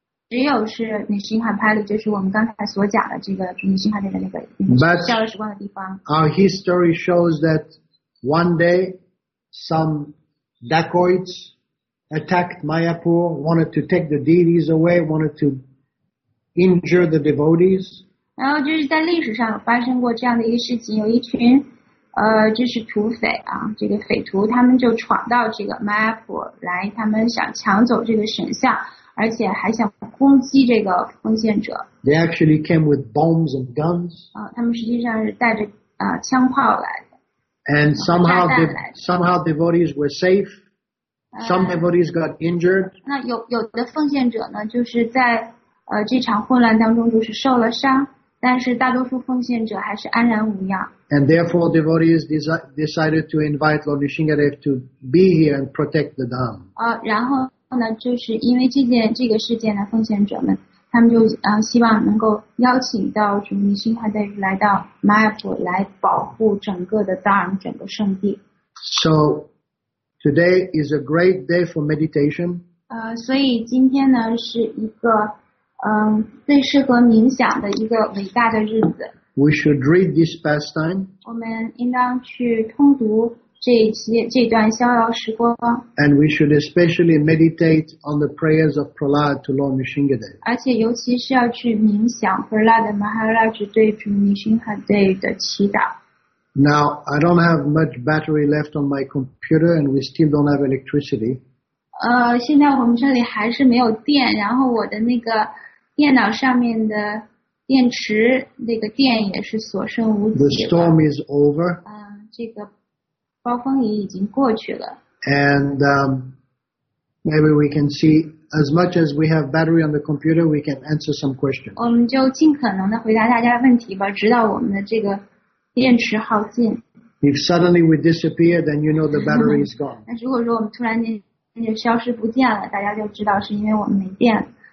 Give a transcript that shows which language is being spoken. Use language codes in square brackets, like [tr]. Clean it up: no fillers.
[zh] 只有是 Nrisimhapali， 就是我们刚才所讲的这个主女星海队的那个逍遥时光的地方。 [en] Our history shows that. One day, some dacoits attacked Mayapur, wanted to take the deities away, wanted to injure the devotees. [zh] 然后就是在历史上发生过这样的一个事情，有一群就是土匪啊，这个匪徒他们就闯到这个 Mayapur 来，他们想抢走这个神像，而且还想攻击这个奉献者。 [en] They actually came with bombs and guns. [zh] 他们实际上是带着枪炮来。 [en] And somehow devotees were safe. Some devotees got injured. [zh] 那有的奉献者呢，就是在这场混乱当中就是受了伤，但是大多数奉献者还是安然无恙。 [en] And therefore, devotees decided to invite Lord Nrisimhadev to be here and protect the dham. [zh] 然后呢，就是因为这个事件的奉献者们，他们就希望能够邀请到主尼辛哈德来到 Mayapur 来保护整个的 Dharm 整个圣地。 [en] So today is a great day for meditation. [zh] 所以今天呢是一个最适合冥想的一个伟大的日子。 [en] We should read this pastime. [zh] 我们应当去通读这段逍遥时光。 [en] And we should especially meditate on the prayers of Prahlad to Lord Nrisimhadev. [zh] 而且尤其是要去冥想 Prahlad Maharaj 对主 Nrisimhadev 的祈祷。 [en] Now, I don't have much battery left on my computer and we still don't have electricity. [zh] 现在我们这里还是没有电，然后我的那个电脑上面的电池那个电也是所剩无几。 [en] The storm is over. [zh] 这个暴风雨已经过去了。 [en] And maybe we can see as much as we have battery on the computer, we can answer some questions. [zh] 我们就尽可能的回答大家问题吧，直到我们的这个电池耗尽。 [en] If suddenly we disappear, then you know the battery is gone. [zh] 那如果说我们突然间就消失不见了，大家就知道是因为我们没电了。